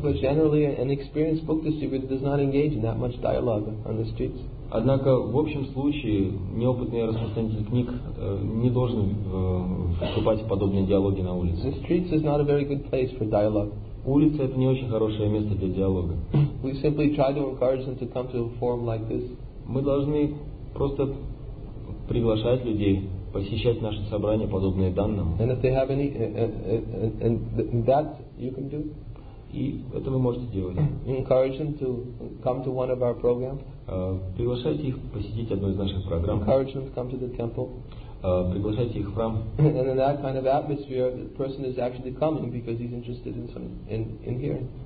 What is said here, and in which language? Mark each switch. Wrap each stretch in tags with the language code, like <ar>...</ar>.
<en>But generally, an experienced book distributor does not engage in that much dialogue on the streets.</en> <ru>Однако в общем случае неопытный распространитель книг не должен вступать в подобные диалоги на улице.</ru> <en>The streets is not a very good place for dialogue.</en> <ru>Улица — это не очень хорошее место для диалога.</ru> <en>We simply try to encourage them to come to a forum like this.</en> <ru>Мы должны просто приглашать людей посещать наши собрания, подобные данным.</ru> <en>And if they have any, and that you can do.</en> <ru>И это вы можете делать.</ru> <en>Encourage them to come to one of our programs.</en> <ru>Приглашайте их посетить одну из наших программ.</ru> <en>Encourage them to come to the temple.</en> <ru>Приглашайте их в храм.</ru> <en>And in that kind of atmosphere, the person is actually coming because he's interested in hearing.</en>